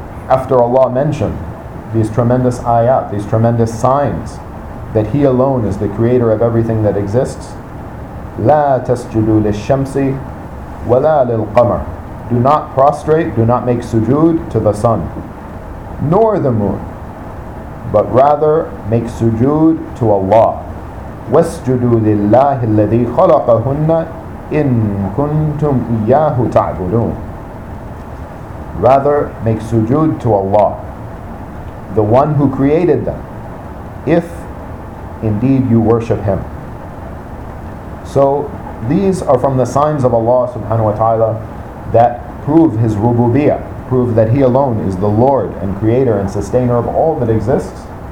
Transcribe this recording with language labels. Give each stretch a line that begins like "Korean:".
English: After Allah mentioned these tremendous ayat, these tremendous signs, that He alone is the creator of everything that exists,
Arabic: لا تسجدوا للشمس ولا للقمر.
English: Do not prostrate, do not make sujood to the sun, nor the moon, but rather make sujood to Allah.
Arabic: واسجدوا لله الذي خلقهن إِن كُنْتُمْ إِيَّاهُ تَعْبُدُونَ.
English: Rather, make sujood to Allah, the one who created them, if indeed you worship Him. So, these are from the signs of Allah subhanahu wa ta'ala that prove His rububiyyah, prove that He alone is the Lord and creator and sustainer of all that exists.